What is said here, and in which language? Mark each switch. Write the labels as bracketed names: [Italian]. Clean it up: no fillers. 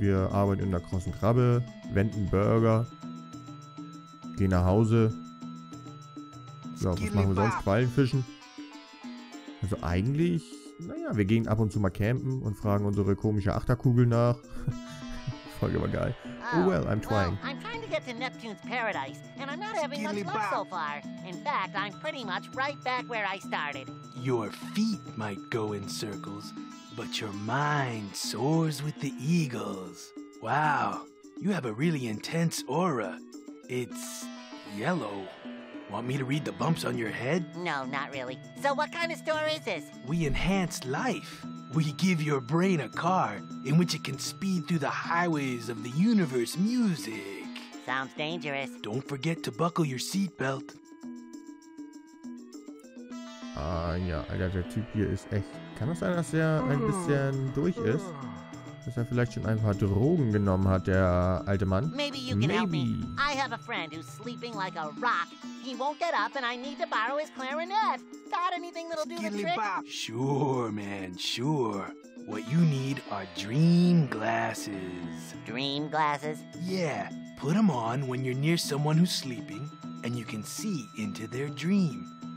[German] Wir arbeiten in der großen Krabbe, wenden Burger, gehen nach Hause. Ja, was machen wir sonst? Quallenfischen. Also eigentlich, naja, wir gehen ab und zu mal campen und fragen unsere komische Achterkugel nach. Folge war geil. [English] Oh well, I'm trying. Well, I'm trying to get to Neptunes Paradise, and I'm not having much luck so far. In fact, I'm pretty much right back where I started. Your feet might go in circles, but your mind soars with the eagles. Wow, you have a really intense aura. It's yellow. Want me to read the bumps on your head? No, not really. So what kind of store is this? We enhance life. We give your brain a car in which it can speed through the highways of the universe music. Sounds dangerous. Don't forget to buckle your seatbelt. [German] Ja, Alter, der Typ hier ist echt... Kann das sein, dass er ein bisschen durch ist? Dass er vielleicht schon ein paar Drogen genommen hat, der alte Mann? [English] Maybe you can help me. I have a friend who's sleeping like a rock. He won't get up and I need to borrow his clarinet. Got anything that'll do the trick? Sure, man, sure. What you need are dream glasses. Dream glasses? Yeah, put them on when you're near someone who's sleeping and you can see into their dream.